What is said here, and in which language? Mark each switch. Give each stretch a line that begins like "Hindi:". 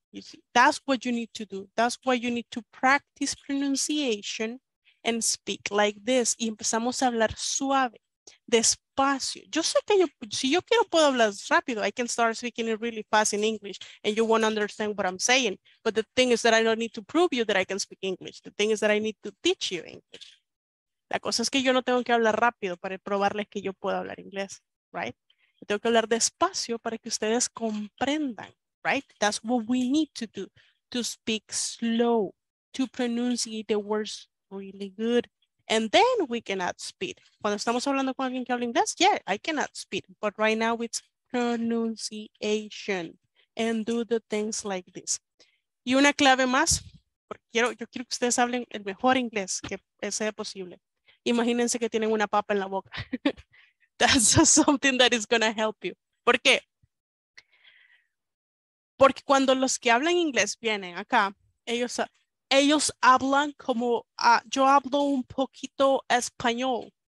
English: You see, that's what you need to do. That's why you need to practice pronunciation and speak like this.
Spanish: Y empezamos a hablar suave, despacio. Yo sé que yo, si yo quiero puedo hablar rápido.
English: I can start speaking really fast in English and you won't understand what I'm saying. But the thing is that I don't need to prove you that I can speak English. The thing is that I need to teach you English.
Spanish: La cosa es que yo no tengo que hablar rápido para probarles que yo puedo hablar inglés,
English: right?
Spanish: Yo tengo que hablar despacio para que ustedes comprendan.
English: Right? That's what we need to do, to speak slow, to pronunciate the words really good. And then we can add speed.
Spanish: Cuando estamos hablando con alguien que habla inglés,
English: yeah, I can add speed. But right now it's pronunciation. And do the things like this.
Spanish: Y una clave más, porque quiero, yo quiero que ustedes hablen el mejor inglés que sea posible. Imagínense que tienen una papa en la boca.
English: That's something that is going to help you.
Spanish: ¿Por qué? Porque cuando los que hablan inglés vienen acá, ellos hablan como yo hablo un poquito español.